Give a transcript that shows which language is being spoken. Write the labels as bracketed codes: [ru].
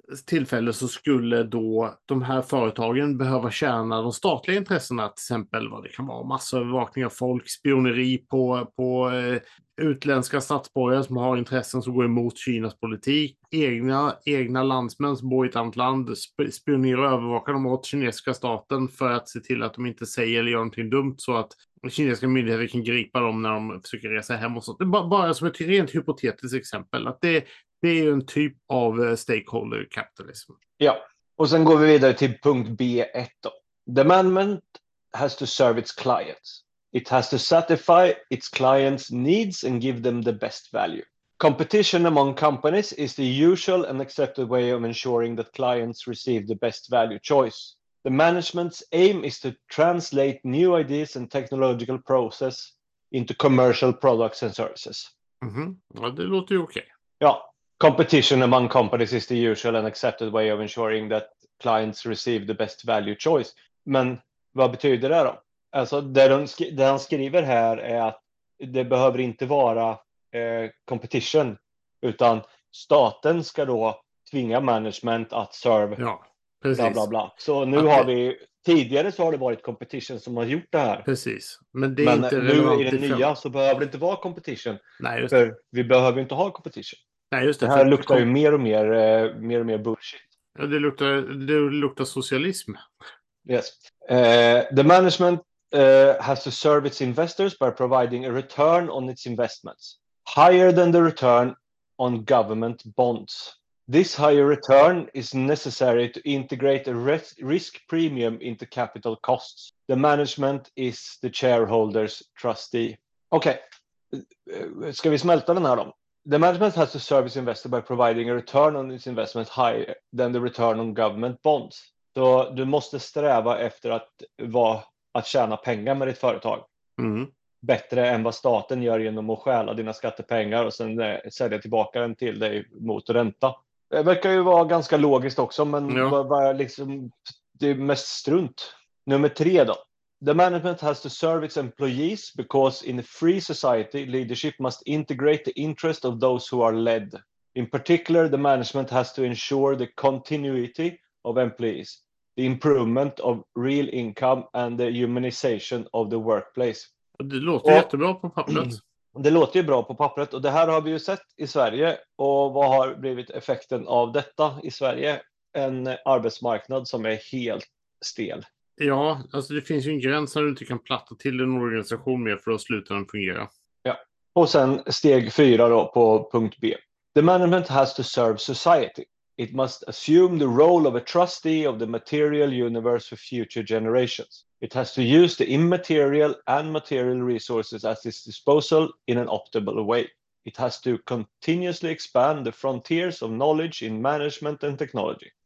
[sv] tillfälle så skulle då de här företagen behöva tjäna de statliga intressena, till exempel vad det kan vara, massövervakning av folk, spioneri på utländska statsborgare som har intressen som går emot Kinas politik, egna landsmän som bor i ett annat land, spionera och övervaka dem åt kinesiska staten för att se till att de inte säger eller gör någonting dumt så att kinesiska myndigheter kan gripa dem när de försöker resa hem och sånt. Det är bara som ett rent hypotetiskt exempel, att det är ju en typ av stakeholder capitalism. Ja, och sen går vi vidare till punkt B1 då. [en] The management has to serve its clients. It has to satisfy its clients' needs and give them the best value. Competition among companies is the usual and accepted way of ensuring that clients receive the best value choice. The management's aim is to translate new ideas and technological process into commercial products and services. [sv] Mm-hmm. Ja, det låter ju okej. Ja. [en] Competition among companies is the usual and accepted way of ensuring that clients receive the best value choice. [sv] Men vad betyder det då? Alltså det han skriver här är att det behöver inte vara competition, utan staten ska då tvinga management att serve. Ja, precis. Bla, bla, bla. Så nu att har vi, tidigare så har det varit competition som har gjort det här. Precis. Men inte nu i det nya så behöver det inte vara competition. Nej, just för det. Vi behöver inte ha competition. Nej, just det. Det här luktar ju mer och mer bullshit. Ja, det luktar socialism. [en] Yes. The management has to serve its investors by providing a return on its investments higher than the return on government bonds. This higher return is necessary to integrate a risk premium into capital costs. The management is the shareholders' trustee. Okay. [sv] Ska vi smälta den här då? [en] The management has to serve its investor by providing a return on its investment higher than the return on government bonds. [sv] Så du måste sträva efter att tjäna pengar med ditt företag. Mm. Bättre än vad staten gör genom att stjäla dina skattepengar och sen sälja tillbaka den till dig mot ränta. Det verkar ju vara ganska logiskt också, men ja. Var liksom, det är mest strunt. Nummer tre då. [en] The management has to serve its employees because in a free society, leadership must integrate the interest of those who are led. In particular, the management has to ensure the continuity of employees, the improvement of real income and the humanization of the workplace. [sv] Det låter jättebra på pappret. Det låter ju bra på pappret, och det här har vi ju sett i Sverige. Och vad har blivit effekten av detta i Sverige? En arbetsmarknad som är helt stel. Ja, alltså det finns ju en gräns när du inte kan platta till en organisation mer för att sluta den fungera. Ja, och sen steg fyra då på punkt B. [en] The management has to serve society. It must assume the role of a trustee of the material universe for future generations. It has to use the immaterial and material resources at its disposal in an optimal way. It has to continuously expand the frontiers of knowledge in management and technology.